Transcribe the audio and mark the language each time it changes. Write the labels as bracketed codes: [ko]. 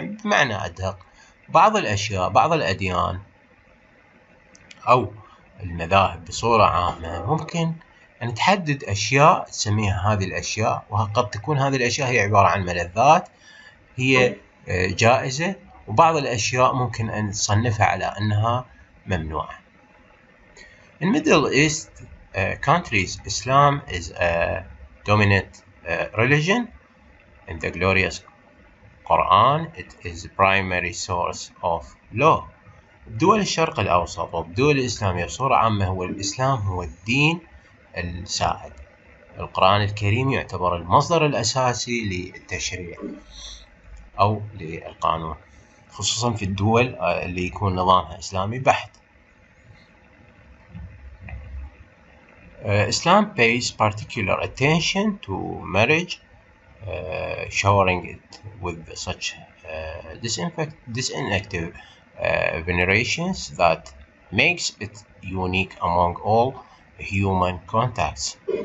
[ar] بمعنى أدق، بعض الأشياء، بعض الأديان أو المذاهب بصورة عامة ممكن أن تحدد أشياء تسميها هذه الأشياء، وقد تكون هذه الأشياء هي عبارة عن ملذات هي جائزة، وبعض الأشياء ممكن أن تصنفها على أنها ممنوعة. [en] In Middle East countries, Islam is a dominant religion. In the glorious Quran, it is primary source of law. [ar] دول الشرق الأوسط ودول الإسلامية بصورة عامة هو الإسلام هو الدين السائد. القرآن الكريم يعتبر المصدر الأساسي للتشريع أو للقانون، خصوصا في الدول اللي يكون نظامها إسلامي بحت. [en] Islam pays particular attention to marriage, showering it with such disinfective venerations that makes it unique among all human contacts.